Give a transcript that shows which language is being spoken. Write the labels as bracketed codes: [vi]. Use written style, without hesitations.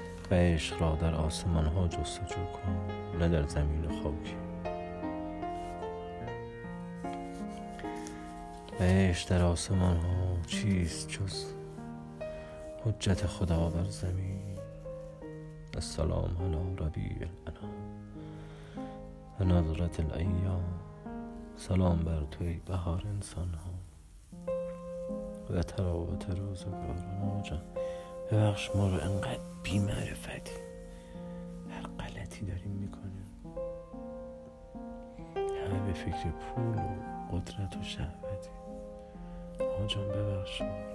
[fa] و عشق را در آسمان ها جستجو کن، نه در زمین خاکی. و عشق در آسمان ها چیست جز حجت خدا بر زمین. [ar] السلام على ربيع الأنام نظرة الأيام. [fa] سلام بر توی بهار انسان ها و تراوت روزگار ما جان. ببخش ما رو انقدر بی‌معرفتی، هر غلطی داریم میکنیم، همه به فکر پول و قدرت و شهوتی. ما جان ببخش ما.